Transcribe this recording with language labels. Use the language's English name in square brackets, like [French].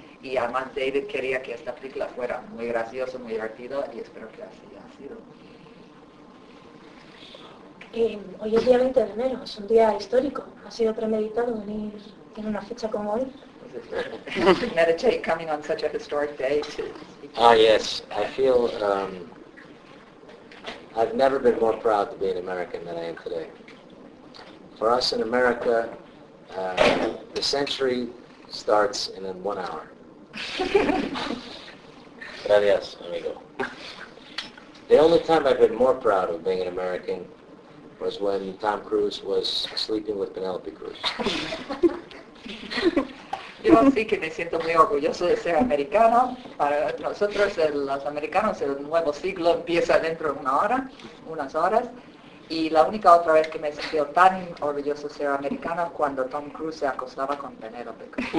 [Spanish] Y además David quería que esta película fuera muy graciosa, muy divertida, y espero que así haya sido. Hoy es día 20 de enero, es un día histórico. ¿Ha sido premeditado venir en una fecha como hoy? [English] Meditate coming on such a historic day to speak to Ah, you. yes, I feel, I've never been more proud to be an American than I am today. For us in America, the century starts in 1 hour. [Spanish] Gracias, amigo. [English] The only time I've been more proud of being an American was when Tom Cruise was sleeping with Penelope Cruz. [Spanish] Yo sí que me siento muy orgulloso de ser americano. Para nosotros, los americanos, el nuevo siglo empieza dentro de unas horas. Y la única otra vez que me he sentido tan orgulloso de ser americano es cuando Tom Cruise se acostaba con Penélope.